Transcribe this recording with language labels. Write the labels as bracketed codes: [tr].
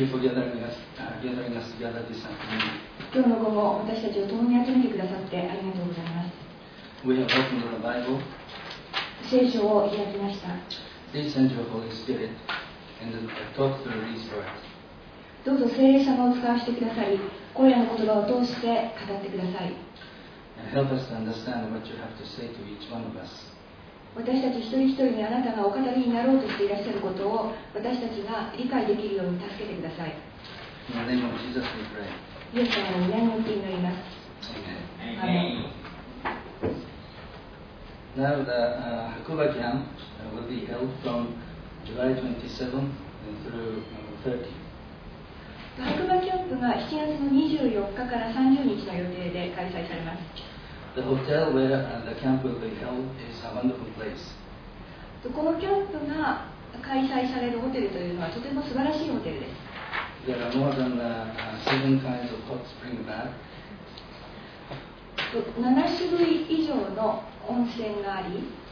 [en] you for gathering us together this afternoon. We have opened the Bible. [ja] 聖書を開きました。 [en] Please send your Holy Spirit and talk through these words. [ja] どうぞ聖霊様を使わせてください。今夜の言葉を通して語ってください。 [en] Help us to understand what you have to say to each one of us. [ja] 私たち一人一人にあなたがお語りになろうとしていらっしゃることを私たちが理解できるように助けてください。 [en] In the name of Jesus, we pray. [ja] イエス様の御名によって祈ります。 [en] Amen. Now the Hakuba camp will be held from July 27 through 30. [ja] 白馬キャンプが7月の24日から30日の予定で開催されます。 [en] The hotel where the camp will be held is a wonderful place. [ja] このキャンプが開催されるホテルというのはとても素晴らしいホテルです。 [en] There are more than seven kinds of hot spring bath. [ja] 7種類以上の温泉があり。